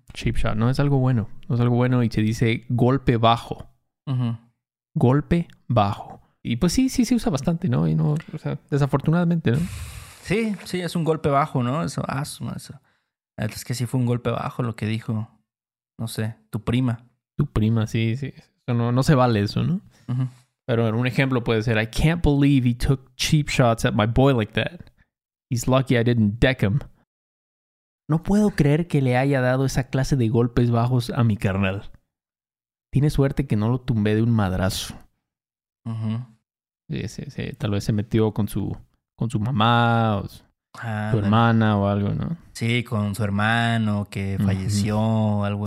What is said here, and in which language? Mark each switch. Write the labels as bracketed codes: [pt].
[es] Cheap shot. No es algo bueno. No es algo bueno y se dice golpe bajo. Uh-huh. golpe bajo. Y pues sí, sí se usa bastante, ¿no? Y no, o sea, desafortunadamente, ¿no? Sí, sí, es un golpe bajo, ¿no? Eso, asma, eso. Es que sí fue un golpe bajo lo que dijo, no sé, tu prima. Tu prima, sí, sí. Eso no, no se vale eso, ¿no? Uh-huh. Pero un ejemplo puede ser, [en] I can't believe he took cheap shots at my boy like that. He's lucky I didn't deck him. [es] No puedo creer que le haya dado esa clase de golpes bajos a mi carnal. Tiene suerte que no lo tumbé de un madrazo. Uh-huh. Sí, sí, sí. Tal vez se metió con su mamá o su hermana o algo, ¿no? Sí, con su hermano que falleció o algo.